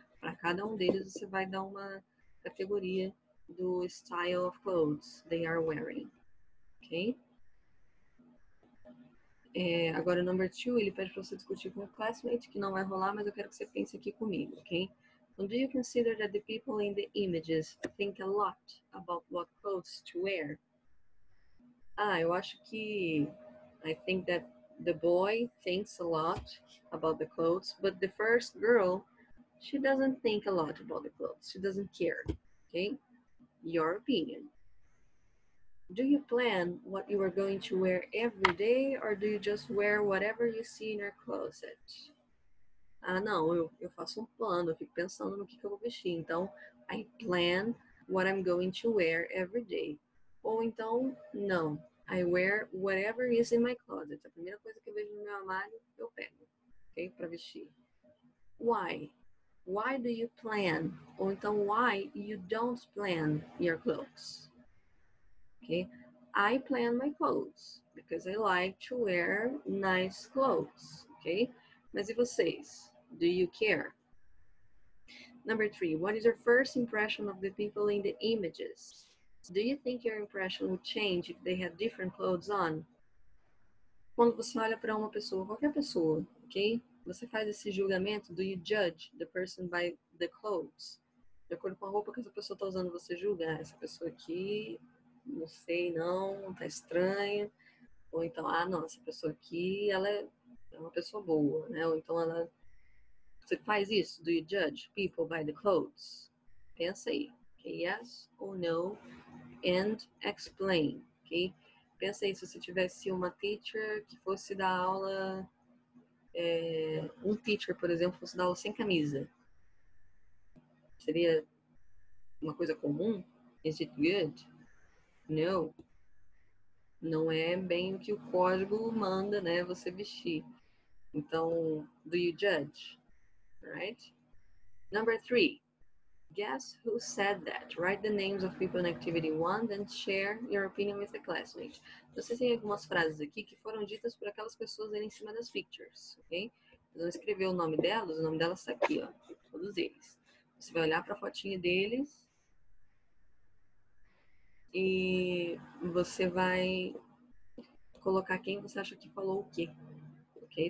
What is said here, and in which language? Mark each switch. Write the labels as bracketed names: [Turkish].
[Portuguese] Para cada um deles, você vai dar uma categoria do [English] style of clothes they are wearing. [Portuguese] Ok? É, agora, number two, ele pede para você discutir com o classmate, que não vai rolar, mas eu quero que você pense aqui comigo, ok? [English] Do you consider that the people in the images think a lot about what clothes to wear? [Portuguese] Ah, eu acho que... [English] I think that... The boy thinks a lot about the clothes, but the first girl, she doesn't think a lot about the clothes. She doesn't care, okay? Your opinion. Do you plan what you are going to wear every day, or do you just wear whatever you see in your closet? [Portuguese] Ah, não, eu faço um plano, eu fico pensando no que eu vou vestir. [English] Então, I plan what I'm going to wear every day. Ou então, não. I wear whatever is in my closet. [Portuguese] A primeira coisa que eu vejo no meu armário, eu pego, ok? Para vestir. [English] Why? Why do you plan? [Portuguese] Ou então, [English] why you don't plan your clothes? Okay? I plan my clothes because I like to wear nice clothes, okay? [Portuguese] Mas e vocês? [English] Do you care? Number three, what is your first impression of the people in the images? Do you think your impression would change if they had different clothes on? [Portuguese] Quando você olha para uma pessoa, qualquer pessoa, ok? Você faz esse julgamento, [English] do you judge the person by the clothes? [Portuguese] De acordo com a roupa que essa pessoa está usando, você julga essa pessoa aqui, não sei não, tá estranha. Ou então, ah, não, essa pessoa aqui, ela é uma pessoa boa, né? Ou então ela... Você faz isso? [English] Do you judge people by the clothes? [Portuguese] Pensa aí. [English] Yes or no, and explain, ok? [Portuguese] Pensa aí, se você tivesse uma teacher que fosse dar aula, um teacher, por exemplo, fosse dar aula sem camisa, seria uma coisa comum? [English] Is it good? No. [Portuguese] Não é bem o que o código manda, né, você vestir. [English] Então, do you judge? Right? Number three. Guess who said that? Write the names of people in activity 1 and share your opinion with the classmate. [Portuguese] Vocês têm algumas frases aqui que foram ditas por aquelas pessoas ali em cima das pictures, ok? Vocês vão escrever o nome delas está aqui, ó, todos eles. Você vai olhar para a fotinha deles e você vai colocar quem você acha que falou o quê. Ok?